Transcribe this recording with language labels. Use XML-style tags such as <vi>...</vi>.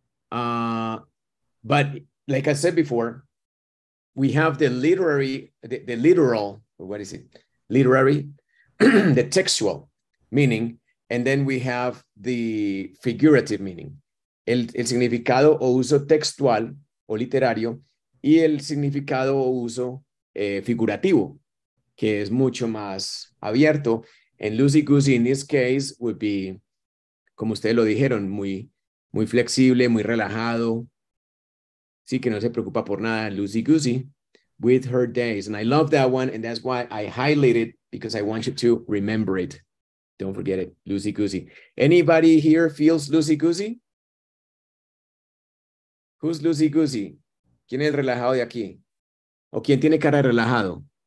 <en>But like I said before, we have the literary, the literal, what is it? Literary, the textual meaning, and then we have the figurative meaning.</en> <es>El significado o uso textual o literario y el significado o uso figurativo, que es mucho más abierto.</es> <en>And loosey-goosey in this case would be,</en> <es>como ustedes lo dijeron, muy, muy flexible, muy relajado. Sí, que no se preocupa por nada, loosey-goosey.</es> <en>With her days. And I love that one. And that's why I highlighted it, because I want you to remember it. Don't forget it. Loosey goosey. Anybody here feels loosey goosey? Who's loosey goosey?</en> <es>¿Quién es el relajado de aquí? ¿O quién tiene cara de relajado?</es>